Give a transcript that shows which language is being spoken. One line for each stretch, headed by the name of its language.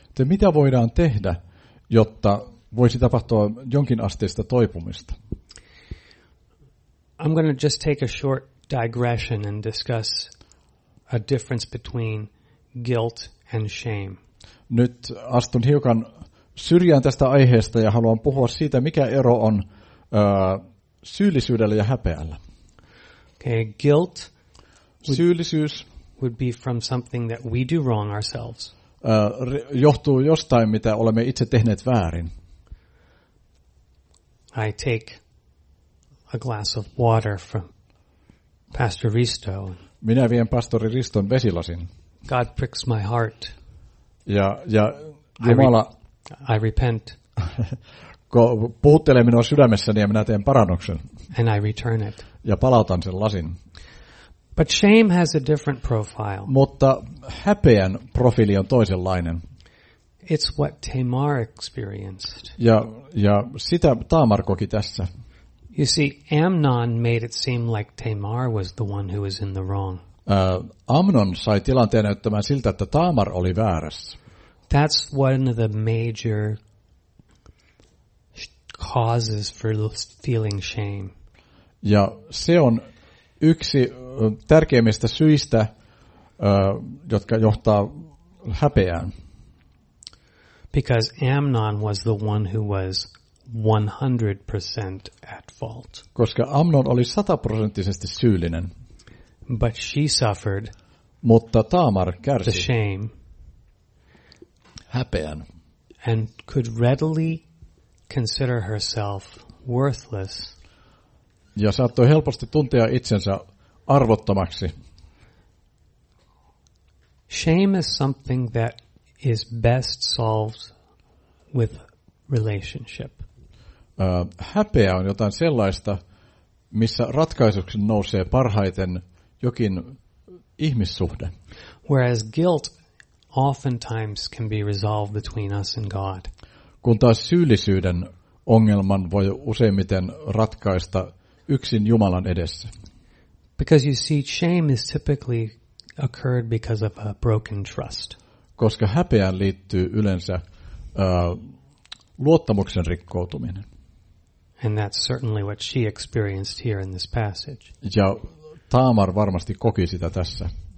Finnish: Mitä voidaan tehdä, jotta voisi tapahtua jonkin asteista toipumista?
English: I'm going to just take a short digression and discuss a difference between guilt and shame.
Finnish: Nyt astun hiukan syrjään tästä aiheesta ja haluan puhua siitä, mikä ero on syyllisyydellä ja häpeällä.
English: Okay, guilt.
Finnish: Syyllisyys
English: would be from something that we do wrong ourselves.
Finnish: Johtuu jostain, mitä olemme itse tehneet väärin.
English: I take a glass of water from Pastor Risto.
Finnish: Minä vien pastori Riston vesilasin.
English: God pricks my heart.
Finnish: Ja Jumala,
English: I repent.
Finnish: Puhuttelee minua sydämessäni ja minä teen parannuksen.
English: And I return it.
Finnish: Ja palautan sen lasin.
English: But shame has a different profile.
Finnish: Mutta häpeän profiili on toisenlainen.
English: It's what Tamar experienced.
Finnish: Ja sitä Tamar koki tässä.
English: You see, Amnon made it seem like Tamar was the one who was in the wrong.
Finnish: Amnon sai tilanteen näyttämään siltä, että Tamar oli väärässä.
English: That's one of the major causes for feeling shame.
Finnish: Ja se on yksi tärkeimmistä syistä, jotka johtaa häpeään.
English: Because Amnon was the one who was 100% at fault.
Finnish: Koska Amnon oli 100-prosenttisesti syyllinen.
English: But she suffered.
Finnish: Mutta Tamar kärsi.
English: The shame.
Finnish: Häpeän.
English: And could readily consider herself worthless.
Finnish: Ja saattoi helposti tuntea itsensä arvottomaksi.
English: Shame is something that is best solved with relationship.
Finnish: Häpeä on jotain sellaista, missä ratkaisuksi nousee parhaiten jokin ihmissuhde.
English: Whereas guilt oftentimes can be resolved between us and God.
Finnish: Kun taas syyllisyyden ongelman voi useimmiten ratkaista yksin Jumalan edessä.
English: Because you see, shame is typically occurred because of a broken trust.
Finnish: Koska häpeään liittyy yleensä luottamuksen rikkoutuminen.
English: And that's certainly what she experienced here in this passage.
Finnish: Ja Tamar varmasti koki sitä tässä.